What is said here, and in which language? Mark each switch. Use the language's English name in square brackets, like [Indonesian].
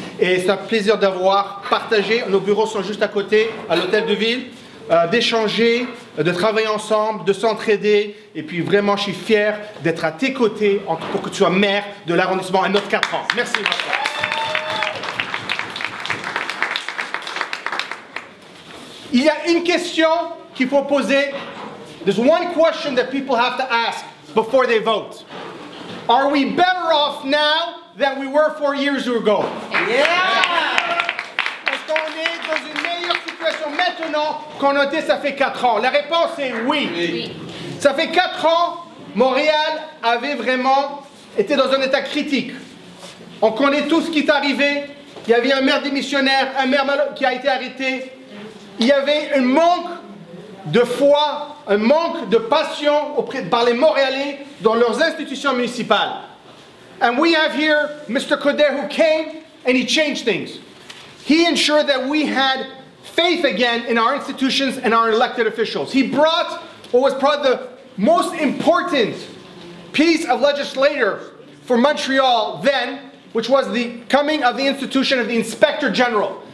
[French] Et c'est un plaisir d'avoir partagé. Nos bureaux sont juste à côté, à l'hôtel de ville, d'échanger, de travailler ensemble, de s'entraider. Et puis vraiment, je suis fier d'être à tes côtés pour que tu sois maire de l'arrondissement à notre 4 ans. Merci. Il y a une question qu'il faut poser. [English] There's one question that people have to ask before they vote. Are we better off now than we were 4 years ago? Yeah! [French] Est-ce qu'on est dans une meilleure situation maintenant qu'on était ça fait 4 ans? La réponse est oui. Oui. Ça fait 4 ans, Montréal avait vraiment été dans un état critique. On connaît tout ce qui est arrivé. Il y avait un maire démissionnaire, un maire qui a été arrêté. Il y avait un manque de foi, un manque de passion par les Montréalais dans leurs institutions municipales. [English] And we have here Mr. Coderre who came and he changed things. He ensured that we had faith again in our institutions and our elected officials. He brought what was probably the most important piece of legislature for Montreal then, which was the coming of the institution of the Inspector General.